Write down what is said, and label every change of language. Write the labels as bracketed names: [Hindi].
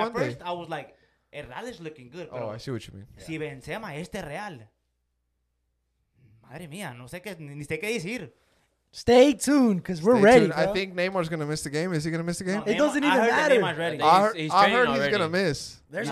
[English] At first, I was like, El Real is looking good. Oh, I see what you mean. [Spanish] Si Benzema este Real. Madre mía, no sé qué ni sé qué decir. [English] Stay tuned, because we're ready. Bro. I think Neymar's going to miss the game. Is he going to miss the game? No, it doesn't even matter. I heard Neymar's ready. I heard he's going to miss.